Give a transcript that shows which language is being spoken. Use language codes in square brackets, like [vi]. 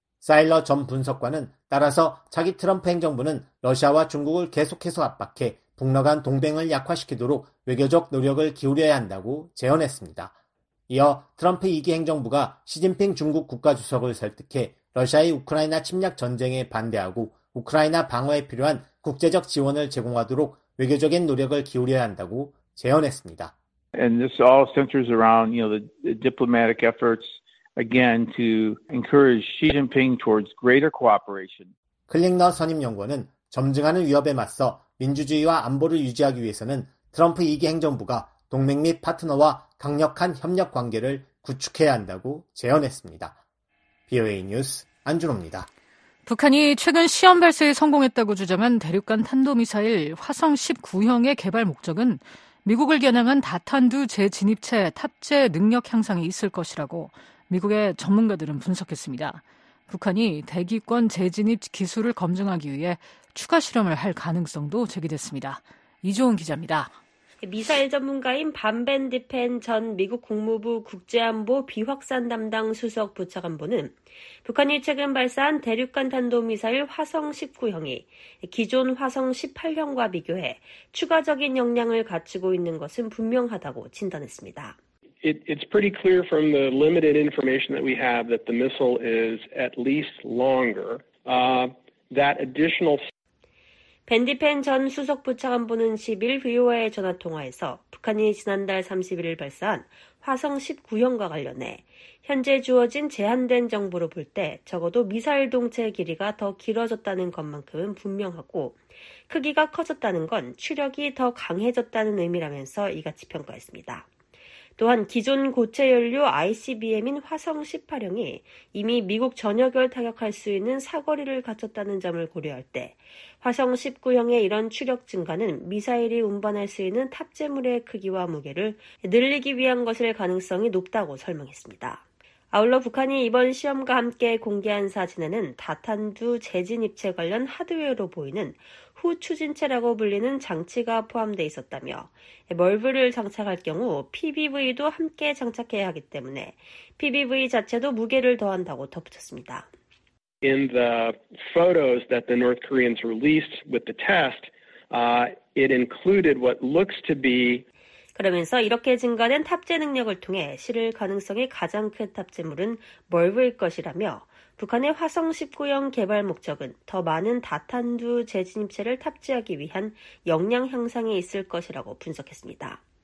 [ko] 사일러 전 분석관은 따라서 차기 트럼프 행정부는 러시아와 중국을 계속해서 압박해 북러 간 동맹을 약화시키도록 외교적 노력을 기울여야 한다고 재언했습니다. 이어 트럼프 2기 행정부가 시진핑 중국 국가주석을 설득해 러시아의 우크라이나 침략 전쟁에 반대하고 우크라이나 방어에 필요한 국제적 지원을 제공하도록 외교적인 노력을 기울여야 한다고 재언했습니다. [en] And this all centers around, you know, the diplomatic efforts again to encourage Xi Jinping towards greater cooperation. [ko] 클링너 선임 연구원은 점증하는 위협에 맞서 민주주의와 안보를 유지하기 위해서는 트럼프 2기 행정부가 동맹 및 파트너와 강력한 협력 관계를 구축해야 한다고 재언했습니다. BOA 뉴스 안준호입니다. 북한이 최근 시험 발사에 성공했다고 주장한 대륙간 탄도미사일 화성 19형의 개발 목적은 미국을 겨냥한 다탄두 재진입체 탑재 능력 향상이 있을 것이라고 미국의 전문가들은 분석했습니다. 북한이 대기권 재진입 기술을 검증하기 위해 추가 실험을 할 가능성도 제기됐습니다. 이종훈 기자입니다. 미사일 전문가인 반벤디펜 전 미국 국무부 국제안보 비확산 담당 수석 부차관보는 북한이 최근 발사한 대륙간 탄도미사일 화성 19형이 기존 화성 18형과 비교해 추가적인 역량을 갖추고 있는 것은 분명하다고 진단했습니다. [en] It's pretty clear from the limited information that we have that the missile is at least longer. That additional [ko] 밴디펜 전 수석 부차관보는 10일 VOA 전화 통화에서 북한이 지난달 31일 발사한 화성 19형과 관련해 현재 주어진 제한된 정보로 볼 때 적어도 미사일 동체의 길이가 더 길어졌다는 것만큼은 분명하고 크기가 커졌다는 건 추력이 더 강해졌다는 의미라면서 이같이 평가했습니다. 또한 기존 고체 연료 ICBM인 화성 18형이 이미 미국 전역을 타격할 수 있는 사거리를 갖췄다는 점을 고려할 때 화성 19형의 이런 추력 증가는 미사일이 운반할 수 있는 탑재물의 크기와 무게를 늘리기 위한 것일 가능성이 높다고 설명했습니다. 아울러 북한이 이번 시험과 함께 공개한 사진에는 다탄두 재진입체 관련 하드웨어로 보이는 후추진체라고 불리는 장치가 포함되어 있었다며 멀브를 장착할 경우 PBV도 함께 장착해야 하기 때문에 PBV 자체도 무게를 더한다고 덧붙였습니다. [en] in the photos that the North Koreans released with the test, it included what looks to be [ko] 그러면서 이렇게 증가된 탑재 능력을 통해 실을 가능성이 가장 큰 탑재물은 멀브일 것이라며 북한의 화성 19형 개발 목적은 더 많은 다탄두 재진입체를 탑재하기 위한 역량 향상에 있을 것이라고 분석했습니다.